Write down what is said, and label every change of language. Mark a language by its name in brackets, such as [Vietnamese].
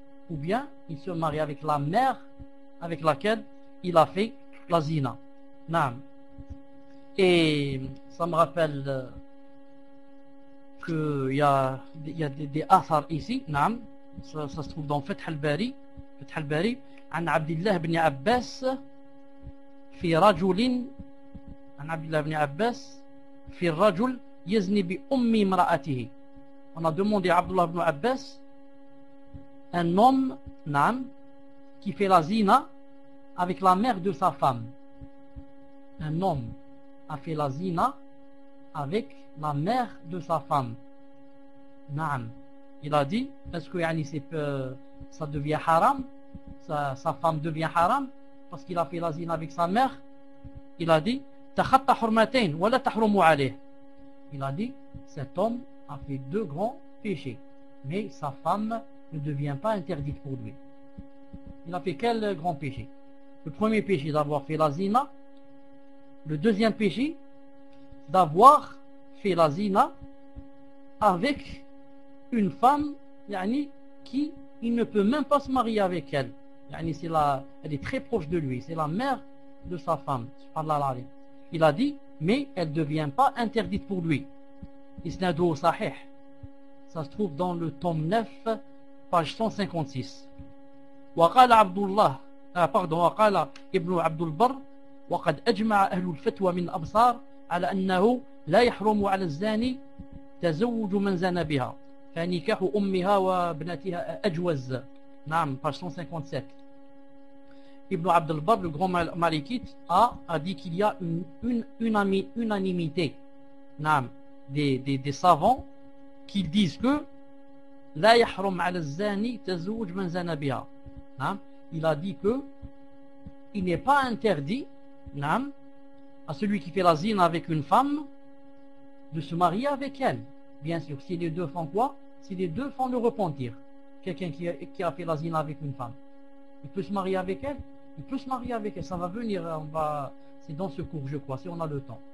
[French] Ou bien il se marie avec la mère avec laquelle il a fait la zina. Naam. Et ça me rappelle qu'il y a des athars ici. Naam. Ça se trouve dans Fath al-Bari. Fath al-Bari. [Arabic] عن عبد الله بن عباس في رجل عن عبد الله بن عباس في الرجل يزني بأم امرأته. [French] On a demandé à عبد الله بن عباس un homme, نعم, qui fait la zina avec la mère de sa femme. Un homme a fait la zina avec la mère de sa femme. [Arabic] نعم. [French] Il a dit, est-ce que ça devient haram? Sa femme devient haram parce qu'il a fait la zina avec sa mère. Il a dit [Arabic] تخطى حرمتين ولا تحرموا عليه. [French] Il a dit cet homme a fait deux grands péchés, mais sa femme ne devient pas interdite pour lui. Il a fait quel grand péché? Le premier péché, d'avoir fait la zina. Le deuxième péché, d'avoir fait la zina avec une femme, yani, qui il ne peut même pas se marier avec elle. Elle est très proche de lui, c'est la mère de sa femme. Il a dit, mais elle ne devient pas interdite pour lui. Isnadu sahih. Ça se trouve dans le tome 9, page 156. [Arabic] Waqala Abdullah, waqala Ibn Abdul Barr, waqad ajma'a ahlul fatwa min absar ala annahu la yahrumu ala zani tazawwuju man zana biha. فنكاح أمها وابنتها أجوز. [French] نعم، page 157. Ibn Abd al-Barr, le grand malikite, a dit qu'il y a unanimité. [Arabic] نعم، [French] des savants qui disent que [Arabic] لا يحرم على الزاني تزوج من زنى بها. [French] نعم، il a dit que il n'est pas interdit, نعم, à celui qui fait la zina avec une femme de se marier avec elle. Bien sûr, si les deux font quoi? Si les deux font le repentir, quelqu'un qui a fait la zina avec une femme, il peut se marier avec elle. Ça va venir, c'est dans ce cours, je crois, si on a le temps.